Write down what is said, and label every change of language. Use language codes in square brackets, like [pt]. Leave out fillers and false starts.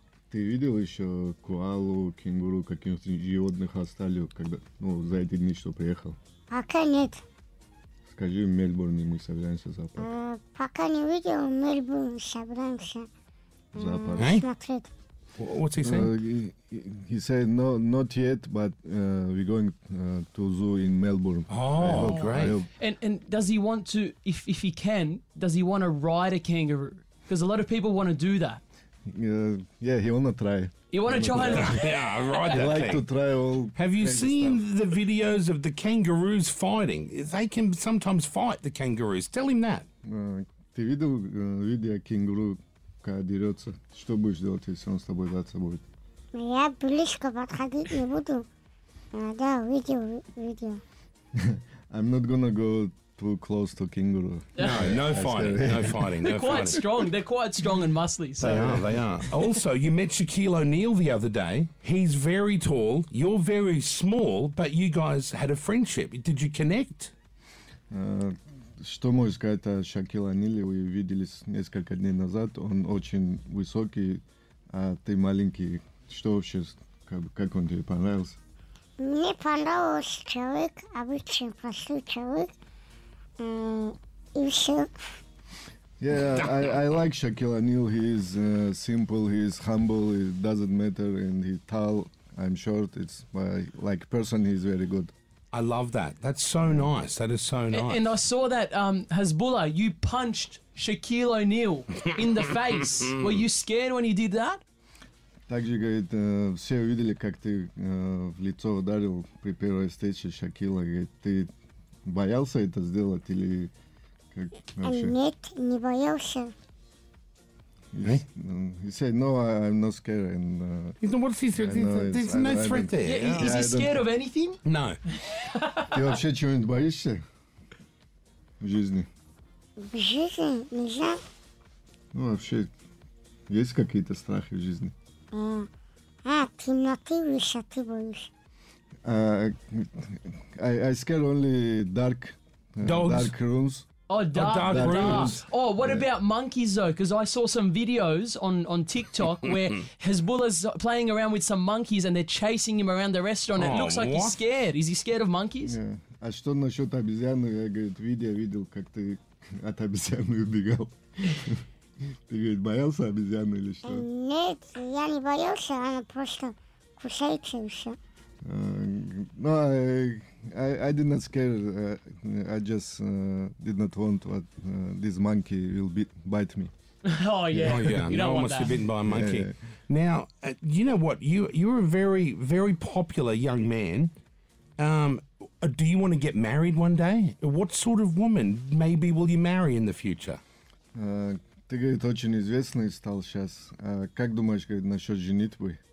[ru] Ты видел ещё коалу, кенгуру, каких-то животных оставили, когда, ну, за эти дни, что приехал? Пока нет. Скажи, в Мельбурне мы собираемся в зоопарк. Пока не видел, в Мельбурне собираемся. Зоопарк. Смотреть. [en] What's he saying? He said, no, not yet, but we're going to zoo in Melbourne. Oh, great. And does he want to, if he can, does he want to ride a kangaroo? Because a lot of people want to do that. Yeah, he want to try. You want to try? Yeah, ride that thing. He like to try all. Have you seen the videos of the kangaroos fighting? They can sometimes fight the kangaroos. Tell him that. [ru] Ты видел видео кенгуру? Когда дерется, что будешь делать, если он с тобой драться будет? Я близко подходить не буду. Да, видео. [en] I'm not gonna go too close to kangaroo. No fighting. They're quite strong and muscly. So. They are. Also, you met Shaquille O'Neal the other day. He's very tall. You're very small, but you guys had a friendship. Did you connect? [ru] Что можно сказать о Шакиле О'Ниле? Вы виделись несколько дней назад. Он очень высокий, а ты маленький. Что вообще, как он тебе понравился? Мне понравился человек, обычный простой человек. И все. [en] Yeah, I like Шакиле О'Ниле. He is simple, he is humble, it doesn't matter. And he's tall, I'm short. It's my, like, person, he's very good. I love that. That's so nice. That is so nice. And I saw that, Hasbulla, you punched Shaquille O'Neal in the face. Were you scared when you did that? [ru] Также, говорит, все видели, как ты в лицо ударил при первой встрече Шакила. Говорит, ты боялся это сделать или как вообще? Нет, не боялся. [en] He said, no, I'm not scared. And, what's he saying? There's no threat there. Yeah, is he scared of anything? No. [ru] Ты вообще чего-нибудь боишься в жизни? В жизни? Не знаю. Ну, вообще, есть какие-то страхи в жизни? Темноты, высоты боишься. [en] I scared only dark. Dogs? Dark rooms. Oh, dark rooms. Oh, what about monkeys, though? Because I saw some videos on TikTok where Hasbulla's playing around with some monkeys and they're chasing him around the restaurant. It looks like he's scared. Is he scared of monkeys? [ru] А что насчет обезьяны? Я говорит, видел, как ты от обезьяны убегал. Ты говорит, боялся обезьяны или что? Нет, я не боялся. Она просто кусается и все. [en] No, I did not scare. I just did not want what this monkey will bite me. Oh yeah. You don't want to be bitten by a monkey. Yeah. Now, you know what? You're a very, very popular young man. Do you want to get married one day? What sort of woman maybe will you marry in the future? [ru] Ты говорит очень известный стал сейчас. Как думаешь, говорит, насчет женитьбы?